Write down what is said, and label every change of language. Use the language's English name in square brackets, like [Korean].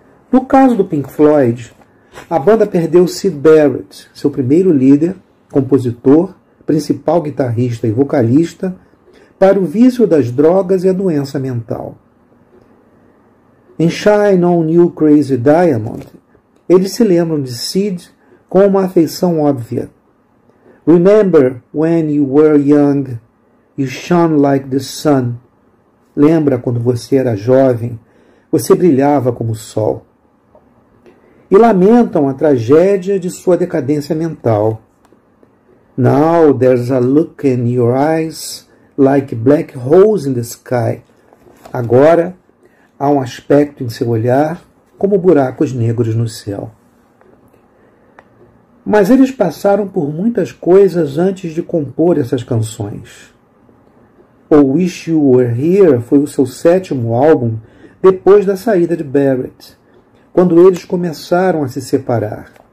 [Portuguese] No caso do Pink Floyd, a banda perdeu Syd Barrett, seu primeiro líder, compositor, principal guitarrista e vocalista, para o vício das drogas e a doença mental. Em Shine On You Crazy Diamond, eles se lembram de Syd com uma afeição óbvia. [English] Remember when you were young, you shone like the sun. [Portuguese] Lembra quando você era jovem, você brilhava como o sol. E lamentam a tragédia de sua decadência mental. [English] Now there's a look in your eyes like black holes in the sky. [Portuguese] Agora há um aspecto em seu olhar como buracos negros no céu. Mas eles passaram por muitas coisas antes de compor essas canções. O Wish You Were Here foi o seu sétimo álbum depois da saída de Barrett, quando eles começaram a se separar.